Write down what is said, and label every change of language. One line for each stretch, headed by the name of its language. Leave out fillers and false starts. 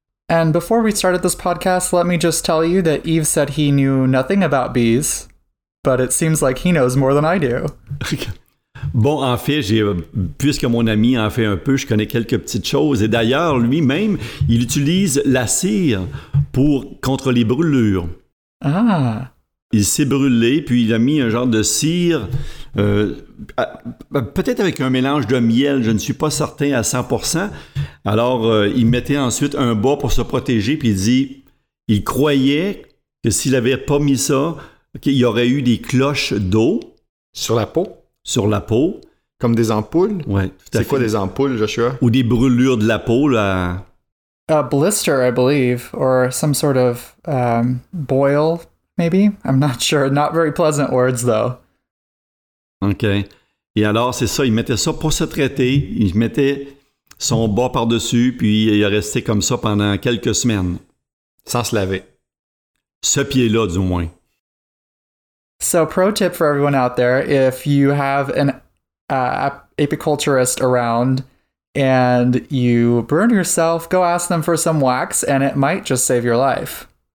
English: And before we started this podcast, let me just tell you that Yves said he knew nothing about bees, but it seems like he knows more than I do.
French: Bon, en fait, puisque mon ami en fait un peu, je connais quelques petites choses. Et d'ailleurs, lui-même, il utilise la cire pour contre les brûlures. Ah! Il s'est brûlé, puis il a mis un genre de cire, peut-être avec un mélange de miel, je ne suis pas certain à 100%. Alors, il mettait ensuite un bas pour se protéger, puis il dit, il croyait que s'il avait pas mis ça, qu'il y aurait eu des cloches d'eau. Sur la peau? Sur la peau. Comme des ampoules? Oui. C'est quoi des ampoules, Joshua? Ou des brûlures de la peau, là?
English: A blister, I believe, or some sort of boil, maybe. I'm not sure. Not very pleasant words, though.
French: OK. Et alors, c'est ça. Il mettait ça pour se traiter. Il mettait son bas par-dessus, puis il est resté comme ça pendant quelques semaines. Sans se laver. Ce pied-là, du moins.
English: So, pro tip for everyone out there, if you have an apiculturist around and you burn yourself, go ask them for some wax and it might just save your life.